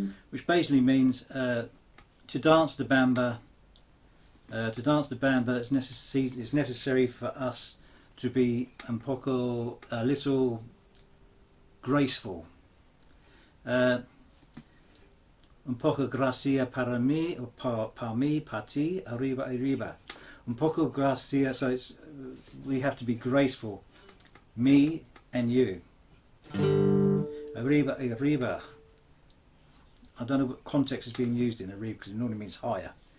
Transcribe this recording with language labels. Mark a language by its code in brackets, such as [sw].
[en] Which basically means to dance the bamba, to dance the bamba, it's necessary for us to be [es] un poco, [en] a little graceful. [es] Un poco gracia para mí, para ti, arriba, arriba. Un poco gracia, [en] so it's, we have to be graceful. Me and you. [es] Arriba, arriba. [en] I don't know what context is being used in arriba, because it normally means higher.